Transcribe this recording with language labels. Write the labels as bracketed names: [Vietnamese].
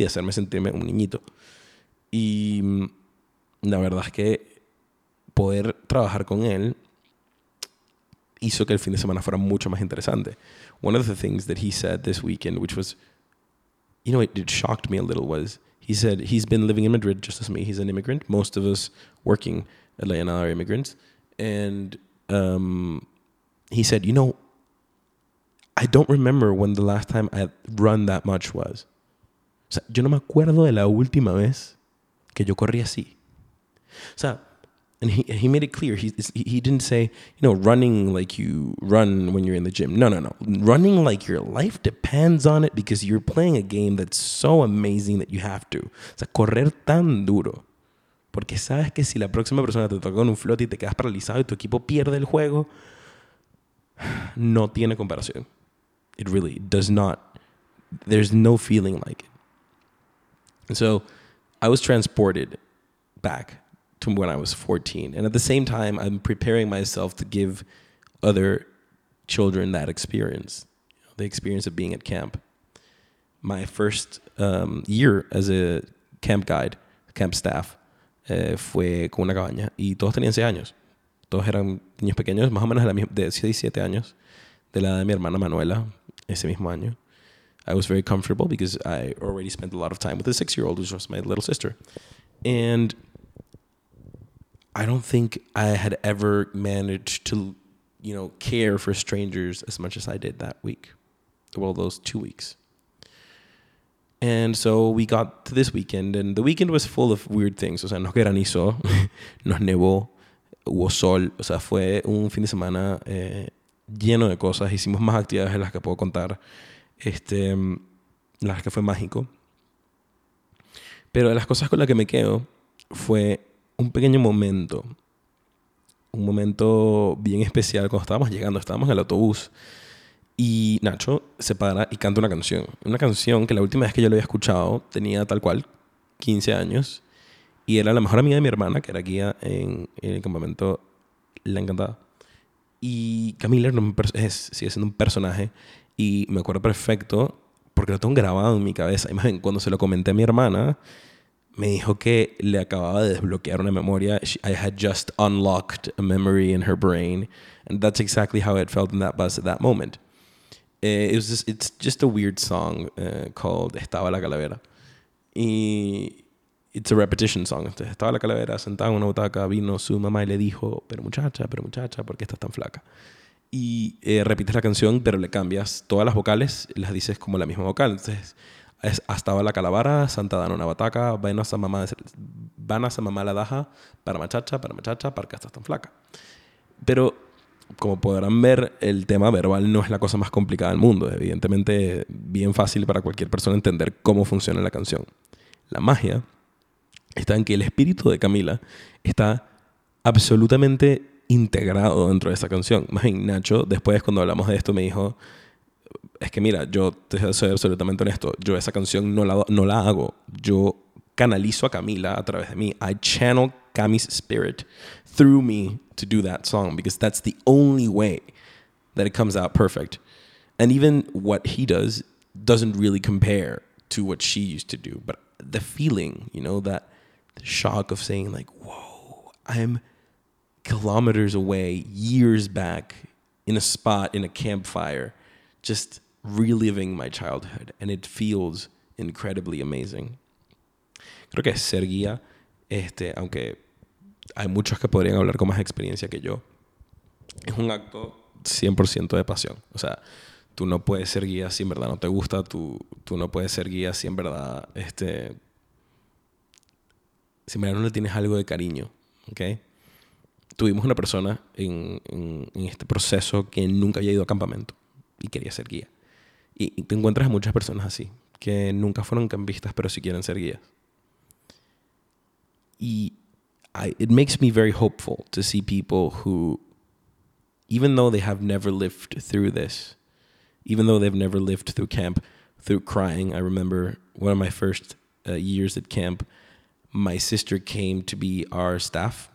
[Spanish] De hacerme sentirme un niñito. Y la verdad es que poder trabajar con él hizo que el fin de semana fuera mucho más interesante. [English] One of the things that he said this weekend, which was, you know, it shocked me a little, was he said he's been living in Madrid just as me. He's an immigrant. Most of us working at La Llanada are immigrants. And he said, you know, I don't remember when the last time I run that much was. [Spanish] O sea, yo no me acuerdo de la última vez que yo corrí así. O sea, [English] and he made it clear. He didn't say, you know, running like you run when you're in the gym. No, no, no. Running like your life depends on it because you're playing a game that's so amazing that you have to. [Spanish] O sea, correr tan duro. Porque sabes que si la próxima persona te toca con un flote y te quedas paralizado y tu equipo pierde el juego, no tiene comparación. [English] It really does not. There's no feeling like it. And so I was transported back to when I was 14. And at the same time, I'm preparing myself to give other children that experience, the experience of being at camp. My first year as a camp guide, camp staff, [Spanish] fue con una cabaña. Y todos tenían 6 años. Todos eran niños pequeños, más o menos de 17 años, de la edad de mi hermana Manuela, ese mismo año. [English] I was very comfortable because I already spent a lot of time with a six-year-old, which was my little sister. And I don't think I had ever managed to, you know, care for strangers as much as I did that week. Well, those 2 weeks. And so we got to this weekend, and the weekend was full of weird things. [Spanish] O sea, nos granizó, nos nevó, hubo sol. O sea, fue un fin de semana lleno de cosas. Hicimos más actividades de las que puedo contar. La verdad que fue mágico, pero de las cosas con las que me quedo fue un pequeño momento, un momento bien especial. Cuando estábamos llegando, estábamos en el autobús y Nacho se para y canta una canción, que la última vez que yo lo había escuchado tenía tal cual 15 años y era la mejor amiga de mi hermana, que era guía en el campamento La Encantada. Y Camila sigue siendo un personaje. Y me acuerdo perfecto, porque lo tengo grabado en mi cabeza. Imagínate, cuando se lo comenté a mi hermana, me dijo que le acababa de desbloquear una memoria. [English] I had just unlocked a memory in her brain. And that's exactly how it felt in that bus at that moment. It's just a weird song called Estaba la Calavera. Y it's a repetition song. [Spanish] Estaba la calavera, sentada en una butaca, vino su mamá y le dijo, pero muchacha, ¿por qué estás tan flaca? Y repites la canción, pero le cambias todas las vocales, las dices como la misma vocal. Entonces, Estaba la calabara, Santa Dana una bataca, van a esa mamá la daja, para machacha, para que estás tan flaca. Pero, como podrán ver, el tema verbal no es la cosa más complicada del mundo. Evidentemente, bien fácil para cualquier persona entender cómo funciona la canción. La magia está en que el espíritu de Camila está absolutamente integrado dentro de esa canción. Imagínate, Nacho, después cuando hablamos de esto, me dijo, es que mira, yo te soy absolutamente honesto, yo esa canción no la hago. Yo canalizo a Camila a través de mí. [English] I channel Cami's spirit through me to do that song because that's the only way that it comes out perfect. And even what he does doesn't really compare to what she used to do. But the feeling, you know, that the shock of saying like, whoa, I'm kilometers away, years back, in a spot, in a campfire, just reliving my childhood. And it feels incredibly amazing. [Spanish] Creo que ser guía, aunque hay muchos que podrían hablar con más experiencia que yo, es un acto 100% de pasión. O sea, tú no puedes ser guía si en verdad no te gusta, tú no puedes ser guía si en verdad, si en verdad no le tienes algo de cariño, ¿ok? Tuvimos una persona en este proceso que nunca había ido a campamento y quería ser guía. Y te encuentras a muchas personas así, que nunca fueron campistas, pero sí quieren ser guías. [English] Y it makes me very hopeful to see people who, even though they have never lived through this, even though they've never lived through camp, through crying. I remember one of my first years at camp, my sister came to be our staff.